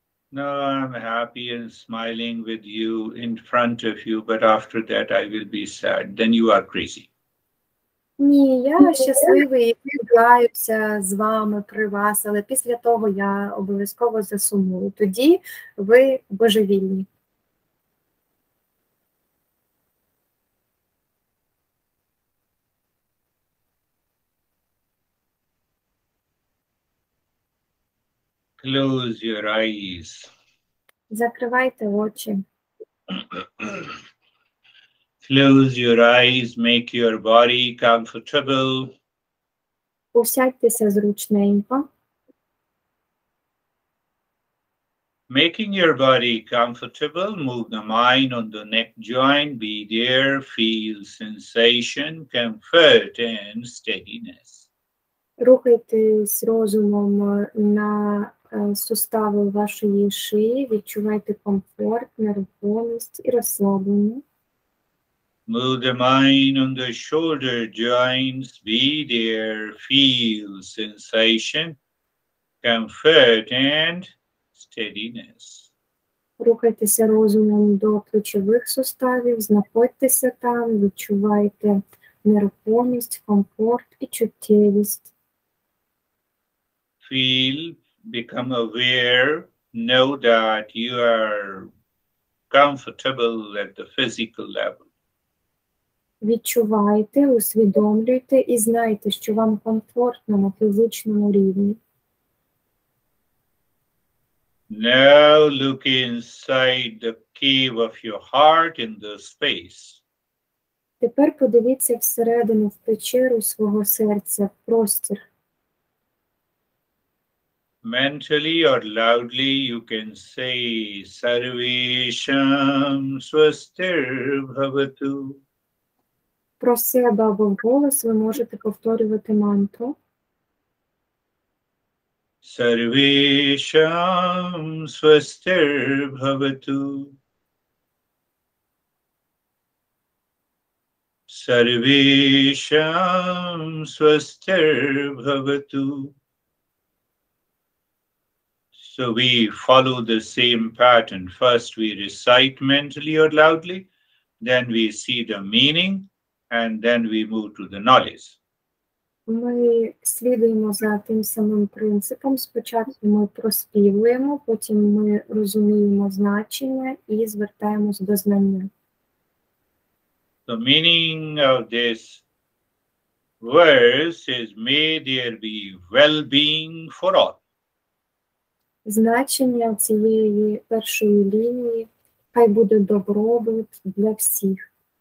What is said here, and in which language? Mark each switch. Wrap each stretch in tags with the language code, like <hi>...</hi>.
<en>No, I'm happy and smiling with you in front of you, but after that I will be sad. Then you are crazy.</en> <uk>Ні, я щасливий, вдягаюся з вами при вас, але після того я обов'язково засумую. Тоді ви божевільні.</uk> <en>Close your eyes.</en> <uk>Закривайте очі.</uk> <en>Close your eyes, make your body comfortable.</en> <uk>Усядьтеся зручненько.</uk> <en>Making your body comfortable, move the mind on the neck joint, be there, feel sensation, comfort and steadiness.</en> <uk>Рухайтесь розумом на сустави вашої шиї, відчувайте комфорт, нерухомість і розслаблення.</uk> <en>Move the mind on the shoulder joints, be there, feel sensation, comfort and steadiness.</en> <uk>Рухайтеся розумом до плечових суставів, знаходьтеся там, відчувайте нерухомість, комфорт і чуттєвість.</uk> <en>Feel, become aware, know that you are comfortable at the physical level.</en> <uk>Відчувайте, усвідомлюйте і знайте, що вам комфортно на фізичному рівні.</uk> <en>Now look inside the cave of your heart in the space.</en> <uk>Тепер подивіться всередину в печеру свого серця, в простір.</uk> <en>Mentally or loudly, you can say</en> <sa>Sarvesham Swastir Bhavatu.</sa> <uk>Про себе або в голос ви можете повторювати мантру.</uk> <sa>Sarvesham Swastir Bhavatu. Sarvesham Swastir Bhavatu.</sa> <en>So we follow the same pattern. First we recite mentally or loudly, then we see the meaning, and then we move to the knowledge.</en> <uk>Ми слідуємо за тим самим принципом. Спочатку ми проспівуємо, потім ми розуміємо значення і звертаємось до знання.</uk> <en>The meaning of this verse is may there be well-being for all.</en> <uk>Значення цієї першої лінії хай буде добробут для всіх.</uk>